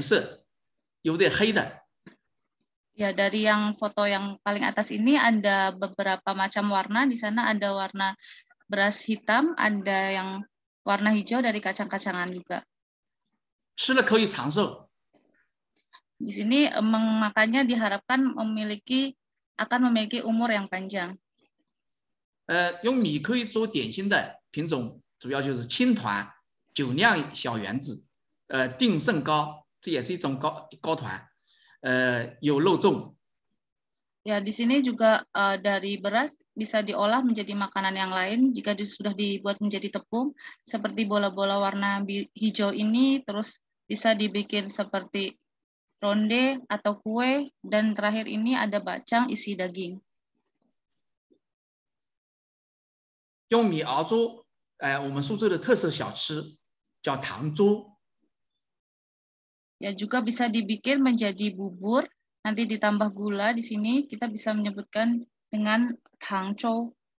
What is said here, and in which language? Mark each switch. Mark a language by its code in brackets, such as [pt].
[zh] 这个乌米饭就是山上的一种叶子染成的颜色，有点黑的。 [id] Ya, dari yang foto yang paling atas ini ada beberapa macam warna. Di sana ada warna beras hitam, ada yang warna hijau dari kacang-kacangan juga. [zh] 吃了可以长寿。 [id] Di sini memakannya diharapkan memiliki akan memiliki umur yang panjang. [zh] 用米可以做点心的品种。主要就是青团、酒酿小圆子、定胜糕，这也是一种糕团，有肉粽。 [id] Ya, di sini juga dari beras bisa diolah menjadi makanan yang lain jika sudah dibuat menjadi tepung seperti bola-bola warna hijau ini, terus bisa dibikin seperti ronde atau kue, dan terakhir ini ada bacang isi daging. [zh] 用米熬粥。我们苏州的特色小吃叫糖粥。 [id] Ya, juga bisa dibikin menjadi bubur, nanti ditambah gula. Di sini kita bisa menyebutkan dengan 糖粥。